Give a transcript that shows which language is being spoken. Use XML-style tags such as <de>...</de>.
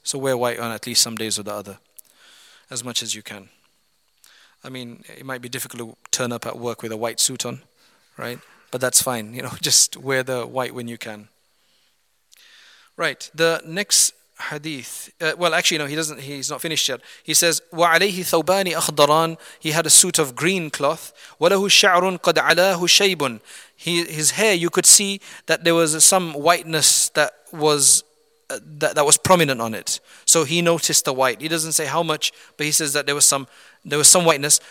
<en>So wear white on at least some days or the other. As much as you can. I mean, it might be difficult to turn up at work with a white suit on, right? But that's fine, you know, just wear the white when you can. Right, the next hadith, he's not finished yet. He says,</en> <ar>وَعَلَيْهِ ثَوْبَانِ أَخْضَرَانِ.</ar> <en>He had a suit of green cloth.</en> <ar>وَلَهُ شَعْرٌ قَدْ عَلَاهُ شَيْبٌ.</ar> <en>His hair, you could see that there was some whiteness that was that was prominent on it. So he noticed the white. He doesn't say how much, but he says that there was some whiteness.</en>